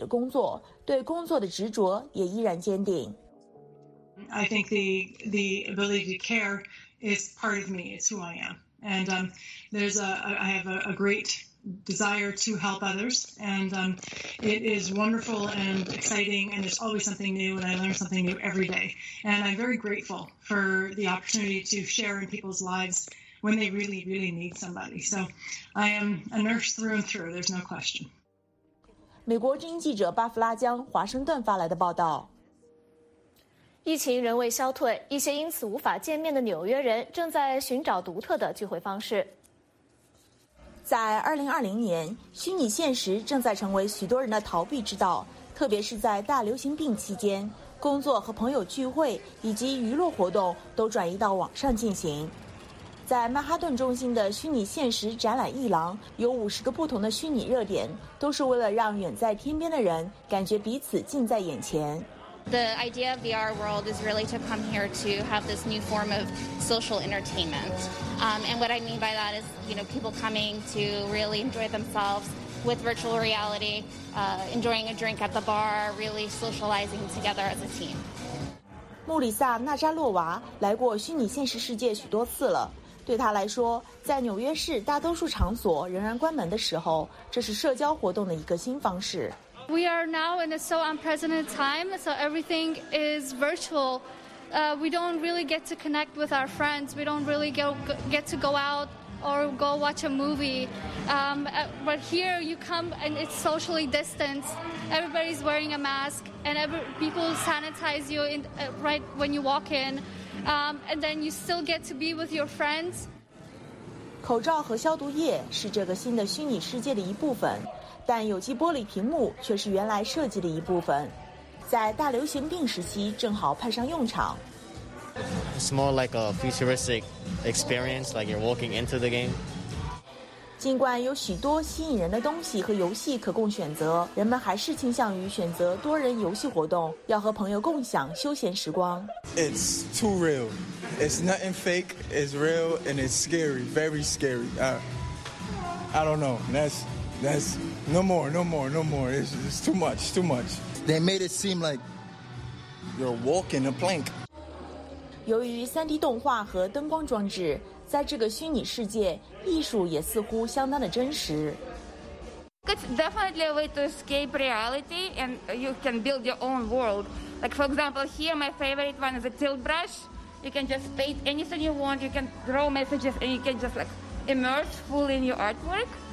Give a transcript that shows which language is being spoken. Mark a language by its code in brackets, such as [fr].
[zh] 罗宾逊说，尽管他面临重重困难，他仍然爱自己的工作，对工作的执着也依然坚定。 [en] I think the ability to care is part of me, it's who I am. And I have a great desire to help others, and it is wonderful and exciting, and there's always something new, and I learn something new every day. And I'm very grateful for the opportunity to share in people's lives when they really, really need somebody. So I am a nurse through and through, there's no question. [zh] 美国《经济记者》巴弗拉江华盛顿发来的报道。疫情仍未消退，一些因此无法见面的纽约人正在寻找独特的聚会方式。在2020年，虚拟现实正在成为许多人的逃避之道，特别是在大流行病期间，工作和朋友聚会以及娱乐活动都转移到网上进行。在曼哈顿中心的虚拟现实展览一廊，有50个不同的虚拟热点，都是为了让远在天边的人感觉彼此近在眼前。 [en] The idea of VR World is really to come here to have this new form of social entertainment. And what I mean by that is, you know, people coming to really enjoy themselves with virtual reality, enjoying a drink at the bar, really socializing together as a team. [zh] 穆里萨·纳扎洛娃来过虚拟现实世界许多次了。对他来说，在纽约市大多数场所仍然关门的时候，这是社交活动的一个新方式。 [en] We are now in a so unprecedented time, so everything is virtual. We don't really get to connect with our friends. We don't really get to go out or go watch a movie. But here you come and it's socially distanced. Everybody's wearing a mask and people sanitize you right when you walk in. And then you still get to be with your friends. [zh] 口罩和消毒液是这个新的虚拟世界的一部分。但有机玻璃屏幕却是原来设计的一部分，在大流行病时期正好派上用场。 [en] It's more like a futuristic experience, like you're walking into the game. [zh] 尽管有许多吸引人的东西和游戏可供选择，人们还是倾向于选择多人游戏活动，要和朋友共享休闲时光。 [en] It's too real. It's nothing fake. It's real and it's scary, very scary. I don't know. That's no more. It's too much. They made it seem like you're walking a plank. [zh] 由于 3D 动画和灯光装置，在这个虚拟世界，艺术也似乎相当的真实。 [en] It's definitely a way to escape reality, and you can build your own world. Like for example, here my favorite one is a tilt brush. You can just paint anything you want. You can draw messages, and you can just like immerse fully in your artwork.